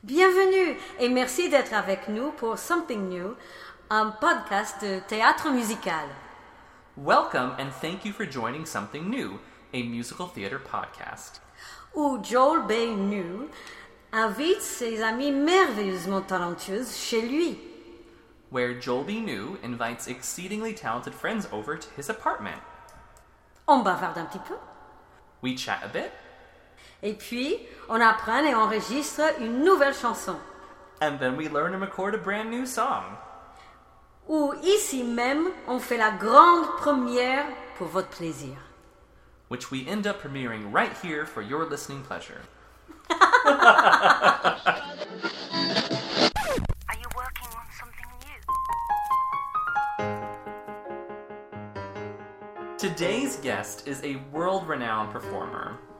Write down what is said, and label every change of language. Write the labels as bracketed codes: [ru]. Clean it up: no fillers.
[fr] et merci d'être avec nous pour Something New, un podcast de théâtre musical. [en] Welcome and thank you for joining Something New, a musical theater podcast. [fr] Où Joel B. New invite ses amis merveilleusement talentueuses chez lui. [en] Where Joel B. New invites exceedingly talented friends over to his apartment. [fr] On bavarde un petit peu. [en] We chat a bit. [fr] Et puis, on apprend et enregistre une nouvelle chanson. [en] And then we learn and record a brand new song. [fr] Ou ici même, on fait la grande première pour votre plaisir. [en] Which we end up premiering right here for your listening pleasure. Are you working on something new? Today's guest is a world-renowned performer.